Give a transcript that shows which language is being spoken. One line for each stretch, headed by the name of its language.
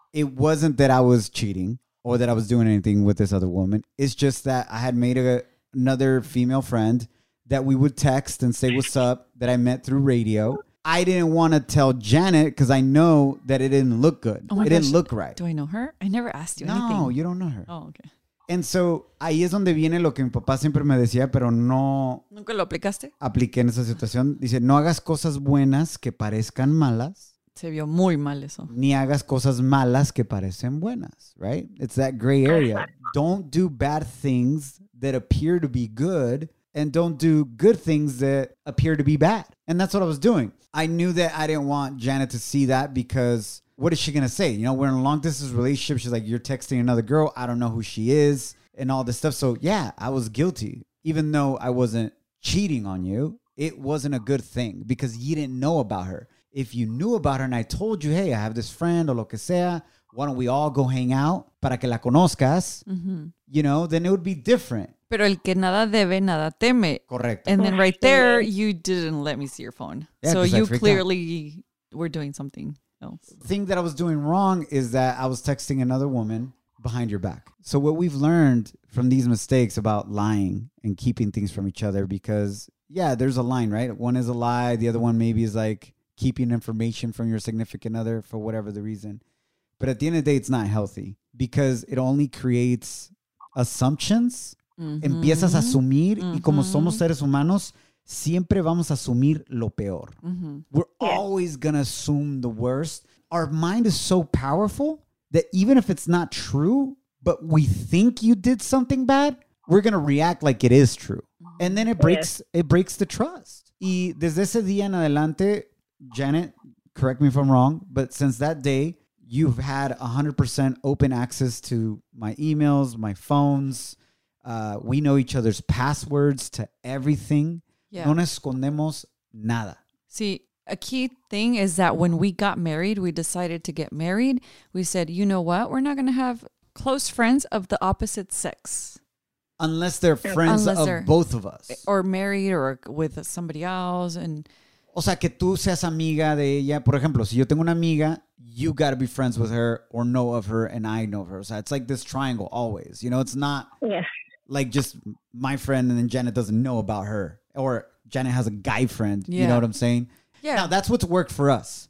English: It wasn't that I was cheating or that I was doing anything with this other woman. It's just that I had made another female friend that we would text and say, what's up, that I met through radio. I didn't want to tell Janet because I know that it didn't look good. Oh my it gosh. Didn't look right. Do I know her? I never asked you no, anything. No, you don't know her. Oh, okay. And so
Spanish: ahí es donde viene lo que mi papá siempre me decía, pero no... ¿Nunca lo aplicaste? Apliqué en esa situación. Dice, no hagas cosas buenas que parezcan malas. Se vio muy mal eso. Ni hagas cosas malas que parecen buenas, right?
English: It's that gray area. Don't do bad things that appear to be good and don't do good things that appear to be bad. And that's what I was doing. I knew that I didn't want Janet to see that because what is she going to say? You know, we're in a long distance relationship. She's like, you're texting another girl. I don't know who she is and all this stuff. So yeah, I was guilty. Even though I wasn't cheating on you, it wasn't a good thing because you didn't know about her. If you knew about her and I told you, hey, I have this friend or
Spanish: lo que sea,
English: why don't we all go hang out
Spanish: para que la conozcas,
English: you know, then it would be different.
Spanish: Pero el que nada debe, nada teme. Correcto.
English: And then right there, you didn't let me see your phone. Yeah, so you clearly were doing something else. The thing that I was doing wrong is that I was texting another woman behind your back. So what we've learned from these mistakes about lying and keeping things from each other, because yeah, there's a line, right? One is a lie. The other one maybe is like, keeping information from your significant other for whatever the reason. But at the end of the day, it's not healthy because it only creates assumptions.
Spanish: Mm-hmm. Empiezas a asumir. Mm-hmm. Y como somos seres humanos, siempre vamos a asumir lo peor. Mm-hmm.
English: We're always going to assume the worst. Our mind is so powerful that even if it's not true, but we think you did something bad, we're going to react like it is true. And then it breaks the trust.
Spanish: Y desde ese día en adelante...
English: Janet, correct me if I'm wrong, but since that day, you've had 100% open access to my emails, my phones. We know each other's passwords to everything. Yeah.
Spanish: No escondemos nada. Sí,
English: a key thing is that when we got married, we decided to get married. We said, you know what? We're not going to have close friends of the opposite sex. Unless they're friends of both of us. Or married or with somebody else. And
Spanish: o sea, que tú seas amiga de ella. Por ejemplo, si yo tengo una amiga,
English: you got to be friends with her or know of her and I know of her. So it's like this triangle always. You know, it's not like just my friend and then Janet doesn't know about her. Or Janet has a guy friend. Yeah. You know what I'm saying? Yeah. Now, that's what's worked for us.